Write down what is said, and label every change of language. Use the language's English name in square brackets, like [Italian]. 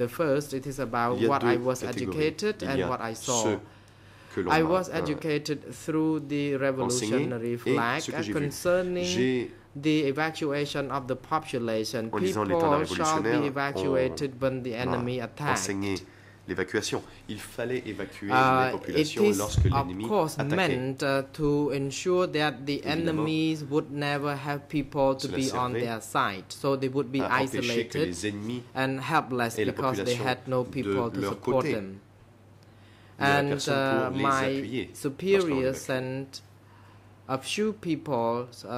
[English] The first, it is about what I was educated and what I saw. I was educated through the revolutionary flag concerning the evacuation of the population. People shall be evacuated when the enemy attacked. [French] L'évacuation. Il fallait évacuer la population lorsque l'ennemi attaquait. [English] It is, of course, meant to ensure that the enemies would never have people to be on their side, so they would be isolated and helpless because they had no people to support [French] côté. [English] Them. And my superior sent a few people